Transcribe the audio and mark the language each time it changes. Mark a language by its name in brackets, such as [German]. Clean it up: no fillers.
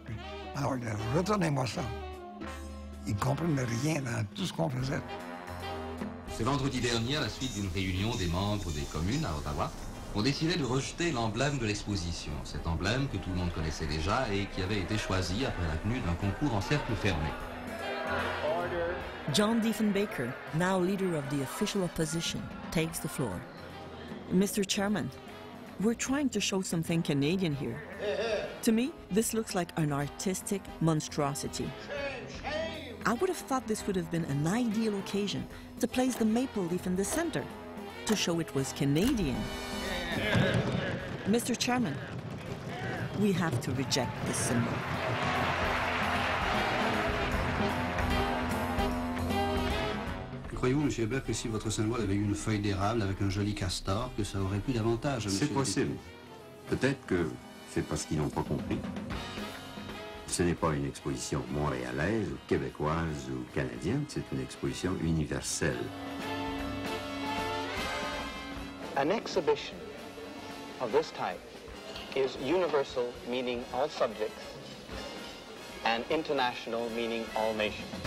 [French] Puis, alors, retournez-moi ça. Ils ne comprennent rien dans tout ce qu'on faisait. Ce vendredi dernier, à la suite d'une réunion des membres des communes à Ottawa, on décidait de rejeter l'emblème de l'exposition, cet emblème que tout le monde connaissait déjà et qui avait été choisi après la tenue d'un concours en cercle fermé. [English] John Diefenbaker, now leader of the official opposition, takes the floor. Mr. Chairman, we're trying to show something Canadian here. To me, this looks like an artistic monstrosity. I would have thought this would have been an ideal occasion to place the maple leaf in the center, to show it was Canadian. Mr. Chairman, we have to reject this symbol. [French] Croyez-vous, M. Hébert, que si votre symbole avait eu une feuille d'érable avec un joli castor, que ça aurait plu davantage à M. C'est possible. Peut-être que c'est parce qu'ils n'ont pas compris. Ce n'est pas une exposition montréalaise ou québécoise ou canadienne, c'est une exposition universelle. [English] An exhibition of this type is universal, meaning all subjects, and international, meaning all nations.